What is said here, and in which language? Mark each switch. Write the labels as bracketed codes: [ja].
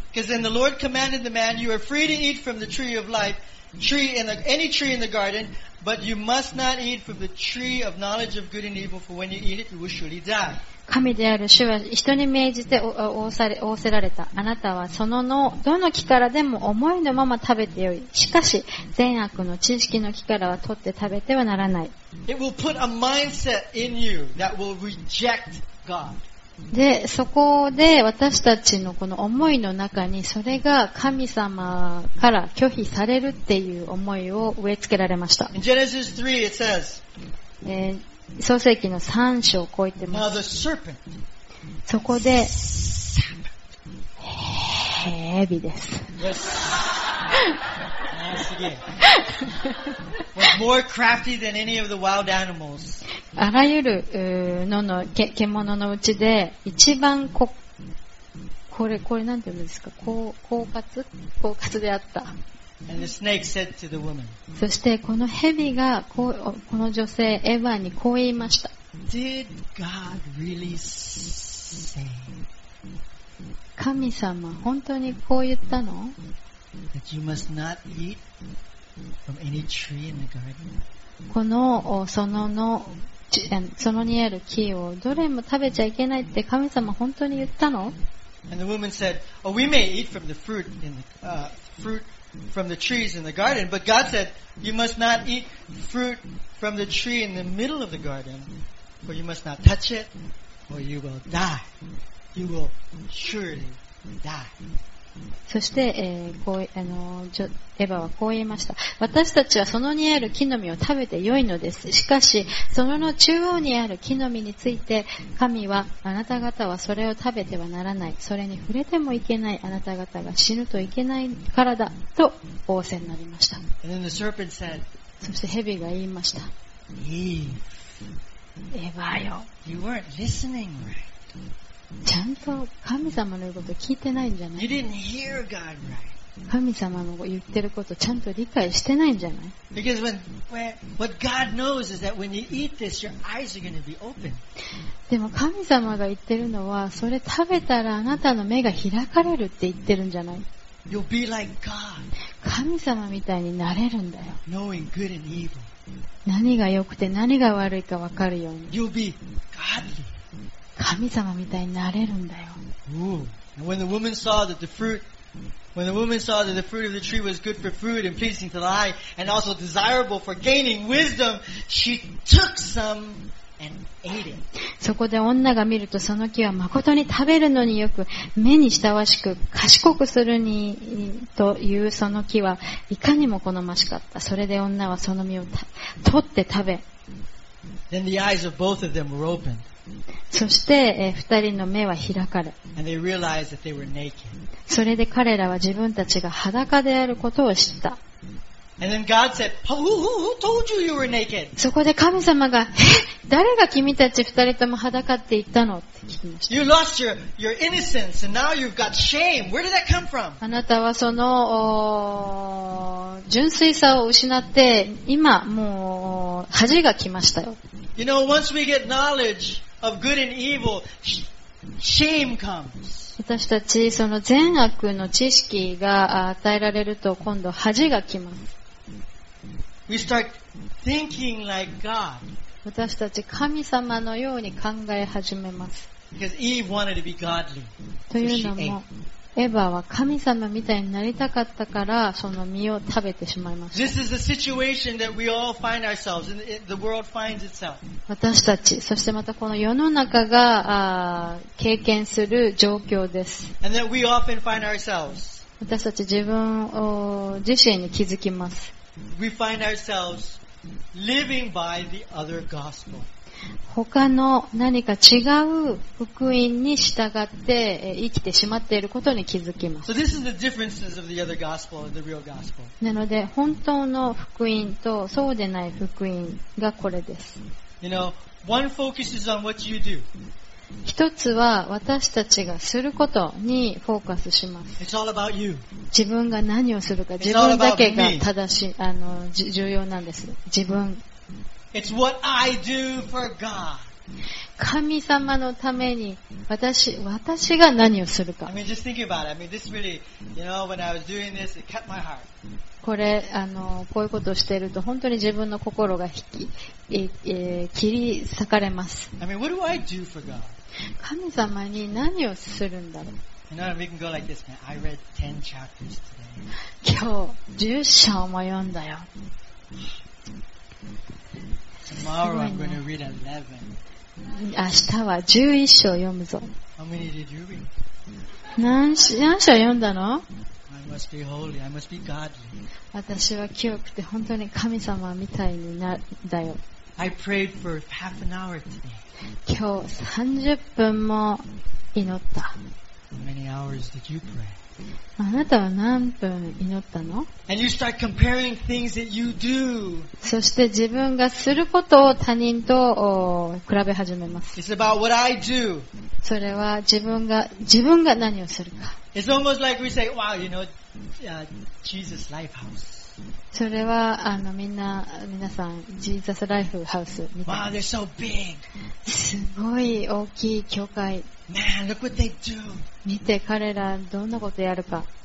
[en] Because then the Lord commanded the man, "You are free to eat from the tree of life, any tree in the garden, but you must not eat from the tree of knowledge of good and evil, for when you eat it, you will surely die." [ja] 神である主は人に命じて仰せられた。あなたはその脳、どの木からでも思いのまま食べてよい。しかし、善悪の知識の木からは取って食べてはならない。 [en] It will put a mindset in you that will reject. [ja] で、そこで私たちのこの思いの中に、それが神様から拒否されるっていう思いを植え付けられました。 [en] Genesis 3, it says, [ja] 創世記の3章こう言ってます。 [en] Now the serpent. [ja] そこで、蛇です。 [en] Yes. Nice again. Was more crafty than any of the wild animals. [ja] あらゆる獣のうちで一番これなんて言うんですか、狡猾であった。 [en] And the snake said to the woman, [ja] そしてこの蛇がこの女性エヴァにこう言いました。 [en] Did God really say? [ja] 神様、本当にこう言ったの？ [en] That you must not eat from any tree in the garden. [ja] この園にある木をどれも食べちゃいけないって神様本当に言ったの？ [en] And the woman said, "Oh, we may eat from the fruit in the fruit from the trees in the garden, but God said, 'You must not eat fruit from the tree in the middle of the garden, for you must not touch it, or you will die.'" You will surely die. [ja] そして、エヴァはこう言いました。私たちはそのにある木の実を食べてよいのです。しかしその中央にある木の実について神はあなた方はそれを食べてはならない、それに触れてもいけない、あなた方が死ぬといけないからだと仰せになりました。 [en] And then the serpent said, [ja] そして蛇が言いました。 [en] Eve, [ja] エヴァよ、 [en] You weren't listening right. [ja] ちゃんと神様の言うこと聞いてないんじゃない？ [en] You didn't hear God right. [ja] 神様の言ってることちゃんと理解してないんじゃない？ [en] Because what God knows is that when you eat this, your eyes are going to be open. [ja] でも神様が言ってるのは、それ食べたらあなたの目が開かれるって言ってるんじゃない？ [en] You'll be like God. [ja] 神様みたいになれるんだよ。 [en] Knowing good and evil. [ja] 何が良くて何が悪いか分かるように。 [en] You'll be godly. [ja] 神様みたいになれるんだよ。 [en] When the woman saw that the fruit, when the woman saw that the fruit of the tree was good for food and pleasing to the eye and also desirable for gaining wisdom, she took some and ate it. [ja] そこで女が見るとその木は誠に食べるのによく、目にしたわしく賢くするにというその木はいかにも好ましかった。それで女はその実を取って食べ。 [en] Then the eyes of both of them were opened. [ja] そして二人の目は開かれ、 [en] And they realized that they were naked. [ja] それで彼らは自分たちが裸であることを知った。 [en] And then God said, who told you you were naked? [ja] そこで神様が、誰が君たち二人とも裸って言ったのって聞きました。 [en] You lost your innocence and now you've got shame. Where did that come from? [ja] あなたはその純粋さを失って、今もう恥が来ましたよ。 [en] You know, once we get knowledge of good and evil, shame comes. [ja] 私たちその善悪の知識が与えられると今度恥が来ます。 [en] We start thinking like God. [ja] 私たち神様のように考え始めます。 [en] Because Eve wanted to be godly. [ja] というのも、エヴァは神様みたいになりたかったからその実を食べてしまいました。 [en] This is the situation that we all find ourselves in, the world finds itself. [ja] 私たち、そしてまたこの世の中が経験する状況です。 [en] And that we often find ourselves. [ja] 私たち自分自身に気づきます。 [en] We find ourselves living by the other gospel. [ja] 他の何か違う福音に従って生きてしまっていることに気づきます。 [en] So this is the differences of the other gospel and the real gospel. [ja] なので本当の福音とそうでない福音がこれです。 [en] You know, one focuses on what you do. [ja] 一つは私たちがすることにフォーカスします。 [en] It's all about you. [ja] 自分が何をするか、自分だけが正しい、重要なんです。自分、 [en] It's what I do for God. [ja] 神様のために 私が何をするか。 [en] I mean, just think about it. I mean, this really, you know, when I was doing this, it cut my heart. [ja] これこういうことをしていると本当に自分の心が切り裂かれます。 [en] I mean, what do I do for God? [ja] 神様に何をするんだろう。 [en] You know, we can go like this, man. I read 10 chapters today. [ja] 今日10章も読んだよ。 [en] Tomorrow I'm going to read 11. [ja] 明日は11章読むぞ。 [en] How many did you read? [ja] 何章読んだの? [en] I must be holy. I must be godly. [ja] 私は清くて本当に神様みたいになったよ。 [en] I prayed for half an hour today. [ja] 今日30分も祈った。 [en] How many hours did you pray? [ja] あなたは何分祈ったの? [en] And you start comparing things that you do. [ja] そして自分がすることを他人と比べ始めます。 [en] It's about what I do. [ja] それは自分が何をするか。 [en] It's almost like we say, wow, you know, Jesus Life House. [ja] それはあのみんな皆さん、ジーザスライフハウスみたいな。 [en] Wow, they're so big. [ja] すごい大きい教会。 [en] Man, look what they do. [ja] 見て彼らどんなことやるか。